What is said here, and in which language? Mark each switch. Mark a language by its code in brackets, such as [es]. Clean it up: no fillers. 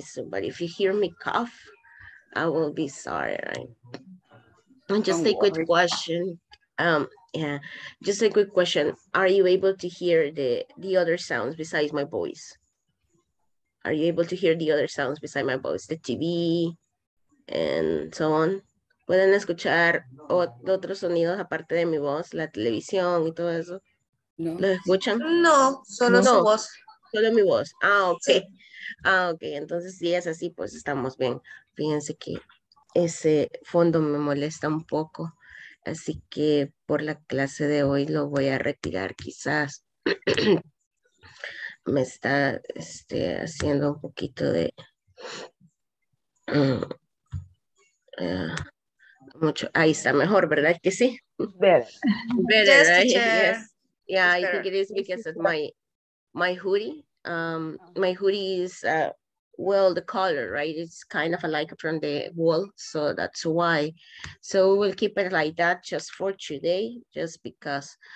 [en] So, but if you hear me cough, I will be sorry, right? And just a quick question. Yeah, just a quick question. Are you able to hear the other sounds besides my voice? Are you able to hear the other sounds besides my voice? The TV and so on. [es] ¿Pueden escuchar otros sonidos aparte de mi voz? La televisión y todo eso. No. ¿Lo escuchan? No, solo no. Su voz. Solo mi voz. Ah, ok. Sí. Ah, ok. Entonces, si es así, pues estamos bien. Fíjense que ese fondo me molesta un poco. Así que por la clase de hoy lo voy a retirar. Quizás me está haciendo un poquito de mucho. Ahí está mejor, ¿verdad que sí? [en] Better. Better, yes, right? Teacher. Yes. Yeah, I think it is because of my hoodie. My hoodie is well, the color, right? It's kind of like from the wall, so that's why. So we'll keep it like that just for today, just because.